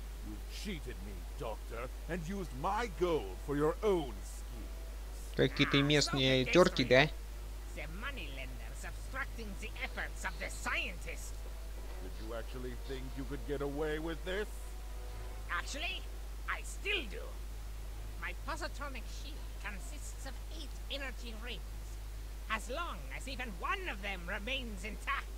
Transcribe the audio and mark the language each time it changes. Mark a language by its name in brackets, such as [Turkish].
[English] You cheated me, Doctor, and used my gold for your own schemes. [Russian] Какие-то местные терки, да? [English] The moneylender subtracting the efforts of the scientist. Did you actually think you could get away with this? Actually, I still do. My positronic shield consists of 8 energy rings. As long as even one of them remains intact.